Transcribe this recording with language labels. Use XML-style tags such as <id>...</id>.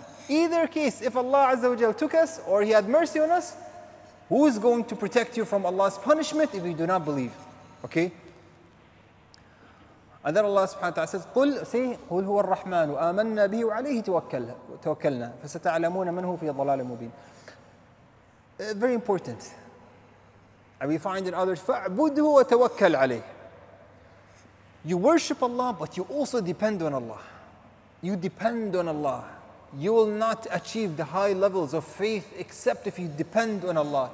<en>Either case, if Allah Azza wa Jal took us or He had mercy on us, who is going to protect you from Allah's punishment if you do not believe? Okay? And then Allah subhanahu wa ta'ala says,</en> <ar>قُلْ سَيْهُ هُوَ الرَّحْمَانُ وَآمَنَّا بِهِ وَعَلَيْهِ تَوَكَّلْنَا فَسَتَعْلَمُونَ مَنْهُ فِي الضَّلَالِ مُبِينَ.</ar> <en>Very important. And we find in others,</en> <ar>فَاعْبُدْهُ وَتَوَكَّلْ عَلَيْهِ.</ar> <en>You worship Allah, but you also depend on Allah. You depend on Allah. You will not achieve the high levels of faith except if you depend on Allah.</en>